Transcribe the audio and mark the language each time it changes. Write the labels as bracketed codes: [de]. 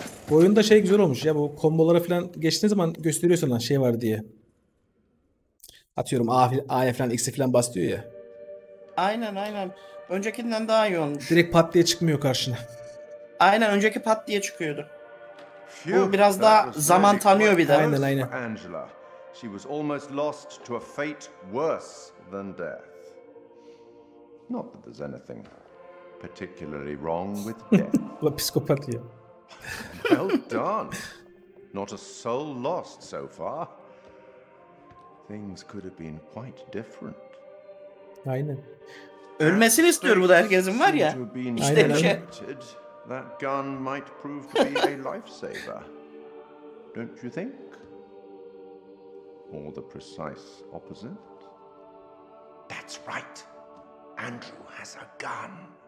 [tr] Bu oyunda şey güzel olmuş ya, bu kombolara falan geçtiğin zaman gösteriyorsun lan şey var diye. Atıyorum A'ya falan, X'e falan basıyor ya. Aynen aynen. Öncekinden daha iyi olmuş. Direkt pat diye çıkmıyor karşına. Aynen, önceki pat diye çıkıyordu. Bu biraz daha zaman tanıyor bir de. Aynen aynen. Angela. [en] She was almost lost to a fate worse than death. Not that there's anything particularly wrong with death. [tr] La psikopat ya. [en] Well done. Not a soul lost so far. Things could have been quite different. [tr] Aynen. Ölmesini istiyor bu da herkesin var ya. İşte bir şey. [en] That gun might prove to be a lifesaver. Don't you think? Or the precise opposite? That's right. Andrew has a gun.